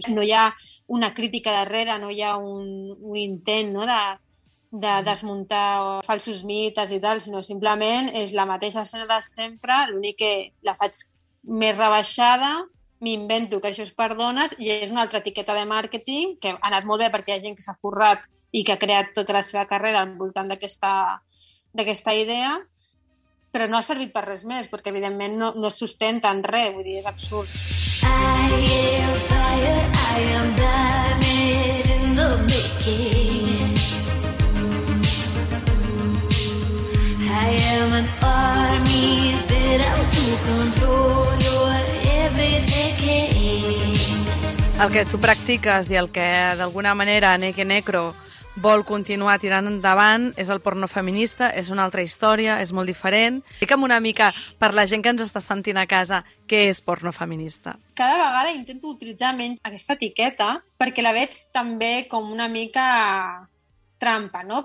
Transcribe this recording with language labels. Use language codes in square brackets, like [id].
[ca] No hi ha una crítica darrere, no hi ha un intent, no, de desmuntar falsos mites i tal, sinó simplement és la mateixa escena de sempre, l'únic que la faig més rebaixada, m'invento que això és per dones i és una altra etiqueta de màrqueting que ha anat molt bé perquè hi ha gent que s'ha forrat i que ha creat tota la seva carrera al voltant d'aquesta idea, però no ha servit per res més perquè evidentment no es sustenta en res, vull dir, és absurd. [en] I am fire, I am diamond in the making. I am an army set out to control your every decade. [ca] El que tu practiques i el que d'alguna manera Neke Necro vol continuar tirant endavant és el porno feminista, és una altra història, és molt diferent. Explica'm una mica, per la gent que ens està sentint a casa, què és porno feminista? Cada vegada intento utilitzar menys aquesta etiqueta perquè la veig també com una mica trampa, no?